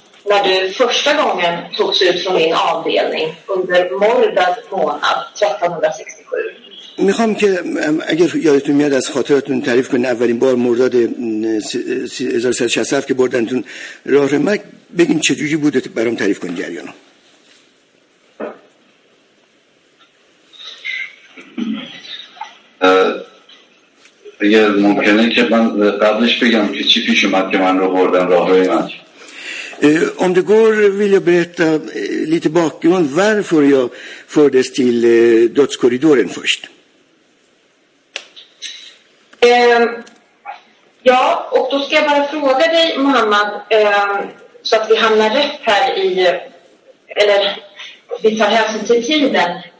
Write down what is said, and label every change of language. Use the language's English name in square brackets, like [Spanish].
[Swedish] när du första gången togs ut från min avdelning under mordad månad 1367. [Persian] میخوام که اگر یادتون میاد از خاطراتون تعریف کنید اولین بار مرداد 1367 که بردنتون راه رمک بگیم چه جوری بوده برام تعریف کنید جریانو اگر ممکنه که من قبلش بگم که چی پیش اومد که من رو بردن راه رمک [Swedish] Om det går vill jag berätta lite bakgrund varför jag fördes till dödskorridoren först. Ja, och då ska jag bara fråga dig Mohammed så att vi hamnar rätt här i eller vi tar hänsyn till tiden.